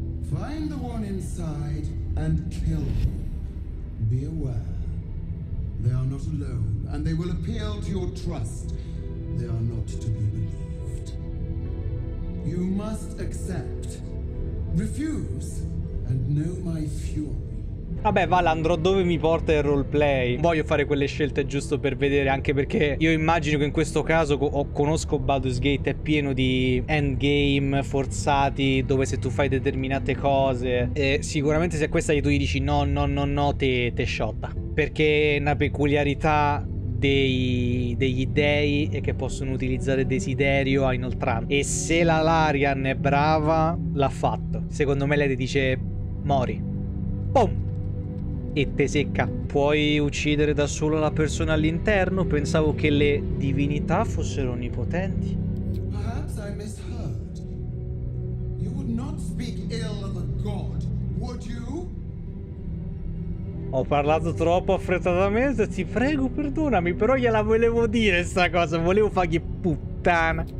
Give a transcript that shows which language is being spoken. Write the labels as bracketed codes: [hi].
[en] Find the one inside and kill him. Be aware, they are not alone, and they will appeal to your trust. They are not to be believed. You must accept, refuse, and know my fury. [it] Vabbè, Val, andrò dove mi porta il roleplay. Voglio fare quelle scelte giusto per vedere, anche perché io immagino che in questo caso conosco Baldur's Gate, è pieno di endgame forzati, dove se tu fai determinate cose, e sicuramente se è questa che tu gli dici no, te sciotta. Perché è una peculiarità degli dei e che possono utilizzare desiderio a inoltrare. E se la Larian è brava, l'ha fatto. Secondo me lei ti dice, mori. Boom! E te secca. Puoi uccidere da solo la persona all'interno? Pensavo che le divinità fossero onnipotenti. [en] Perhaps I misheard. You would not speak ill of a god, would you? [it] Ho parlato troppo affrettatamente, ti prego, perdonami, però gliela volevo dire sta cosa, volevo fargli puttana.